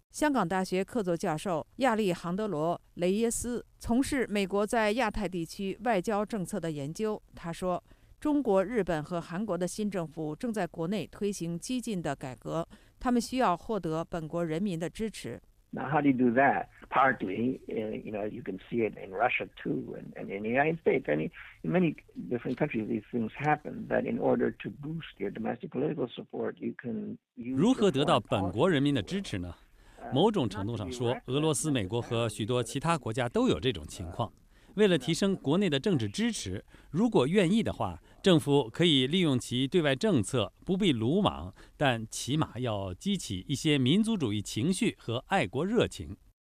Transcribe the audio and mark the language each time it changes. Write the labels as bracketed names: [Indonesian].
[Chinese] 香港大学客座教授亚历杭德罗·雷耶斯从事美国在亚太地区外交政策的研究，他说，中国、日本和韩国的新政府正在国内推行激进的改革，他们需要获得本国人民的支持。 [English] Now, how do you do that? Partly, you know, you can see it in Russia too, and in the United States. In many different countries, these things happen. That in order to boost your domestic political support, you can use. [Chinese] 如何得到本国人民的支持呢？某种程度上说，俄罗斯、美国和许多其他国家都有这种情况。为了提升国内的政治支持，如果愿意的话，政府可以利用其对外政策，不必鲁莽，但起码要激起一些民族主义情绪和爱国热情。